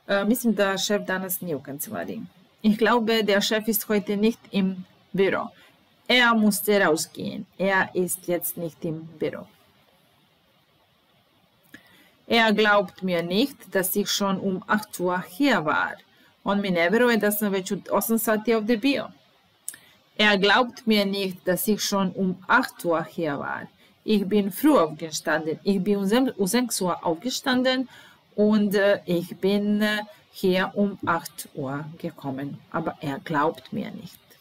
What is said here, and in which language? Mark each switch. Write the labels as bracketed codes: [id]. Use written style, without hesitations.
[de] Mislim da šef danas nije u kancelariji. Ich glaube, der Chef ist heute nicht im Büro. Er musste rausgehen. Er ist jetzt nicht im Büro. Er glaubt mir nicht, dass ich schon um 8 Uhr hier war. [sr] On mi ne veruje da sam već od 8 sati ovde bio. [de] Er glaubt mir nicht, dass ich schon um 8 Uhr hier war. Ich bin früh aufgestanden. Ich bin um 6 Uhr aufgestanden und ich bin hier um 8 Uhr gekommen. Aber er glaubt mir nicht.